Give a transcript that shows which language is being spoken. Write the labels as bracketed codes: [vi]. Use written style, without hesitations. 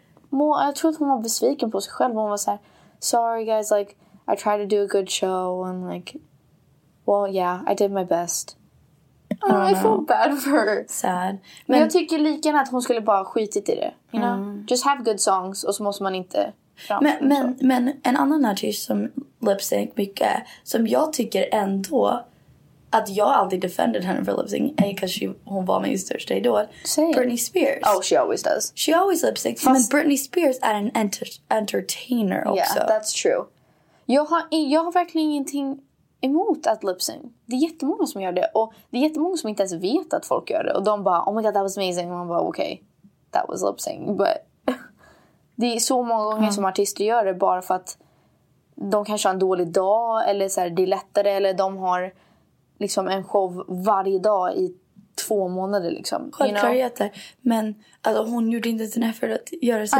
[sv] Well, I thought hon var besviken på sig själv. [en] Hon var så här, sorry guys, like, I try to do a good show. And like, well, yeah, I did my best. I feel bad for her. Sad. [sv] Men jag tycker lika att hon skulle bara skitit i det. [en] You know? Just have good songs. Och så måste man inte... [sv] Men en annan artist som lip-sync mycket, som jag tycker ändå att jag alltid defended henne för lip-sync, är because hon var min största idol. [en] Same. Britney Spears. Oh, she always does. She always lip-syncs. [sv] Men Britney Spears är en entertainer också. [en] Yeah, that's true. [sv] Jag har verkligen ingenting emot att lip-sync. Det är jättemånga som gör det. Och det är jättemånga som inte ens vet att folk gör det. [en] Och de bara, oh my god, that was amazing. Och man bara, okay, that was lip-sync. [sv] But det är så många gånger som artister gör det bara för att de kanske har en dålig dag eller så här, det är lättare eller de har liksom en show varje dag i 2 månader liksom. Självklart, you know? Men alltså, hon gjorde inte sin effort att göra sig